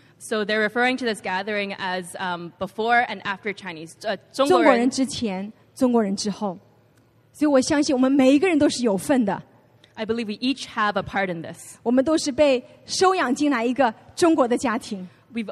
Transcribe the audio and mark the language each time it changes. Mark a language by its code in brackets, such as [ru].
[en] So they're referring to this gathering as before and after Chinese. [zh] 中国人之前，中国人之后。所以我相信我们每一个人都是有份的。 [en] I believe we each have a part in this. [zh] 我们都是被收养进来一个中国的家庭。We've